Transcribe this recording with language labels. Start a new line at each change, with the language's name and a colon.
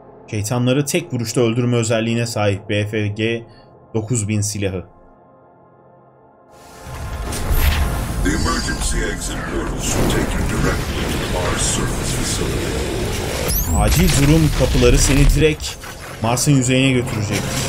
Turkish: Şeytanları tek vuruşta öldürme özelliğine sahip BFG 9000 silahı.
English: The emergency exit portals will take you directly to the Mars surface facility.
Turkish: Acil durum kapıları seni direkt Mars'ın yüzeyine götürecek.